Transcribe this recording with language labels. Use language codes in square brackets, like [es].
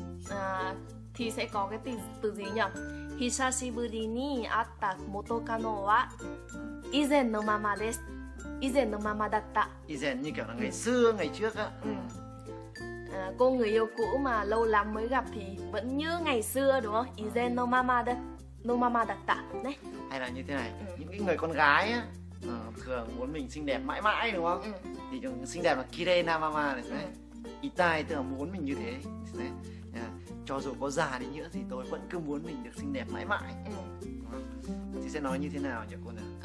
[vi] À, thì sẽ có cái từ gì nhỉ? [ja] Hisashiburi ni atta moto kano wa izen no mama desu. 以前のままだった。 [vi] 以前に、ngày xưa, ngày trước á. Cô người yêu cũ mà lâu lắm mới gặp thì vẫn như ngày xưa đúng không? [ja] 以前のままだ、のままだった。ね。 [vi] Hay là như thế này, những cái người con gái á, thường muốn mình xinh đẹp mãi mãi đúng không? Thì chúng xinh đẹp là [ja] kirei na mama [vi] này, thế này. Itai tức là muốn mình như thế, thế này. Cho dù có già đi nữa thì tôi vẫn cứ muốn mình được xinh đẹp mãi mãi. Thì sẽ nói như thế nào nhỉ cô nè?